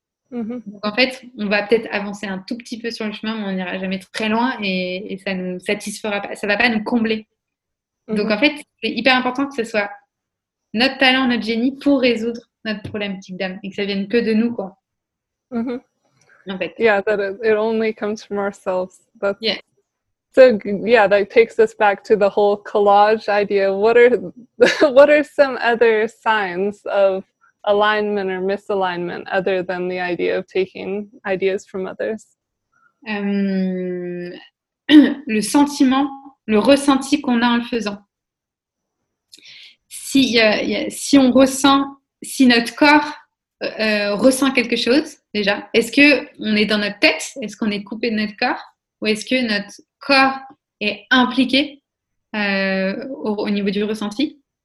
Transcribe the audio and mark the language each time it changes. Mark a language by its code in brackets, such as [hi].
[fr] Donc en fait, on va peut-être avancer un tout petit peu sur le chemin, mais on n'ira jamais très loin et ça ne nous satisfera pas, ça ne va pas nous combler. Donc en fait, c'est hyper important que ce soit notre talent, notre génie pour résoudre notre problème, petite dame, et que ça vienne que de nous, quoi. En fait. [en] Yeah, that it only comes from ourselves. That's... Yeah. So yeah, that takes us back to the whole collage idea. What are some other signs of alignment or misalignment other than the idea of taking ideas from others? [fr] Le sentiment, le ressenti qu'on a en le faisant. Si on ressent, si notre corps ressent quelque chose déjà, est-ce que on est dans notre tête? Est-ce qu'on est coupé de notre corps? Ou est-ce que notre corps est impliqué au niveau du ressenti?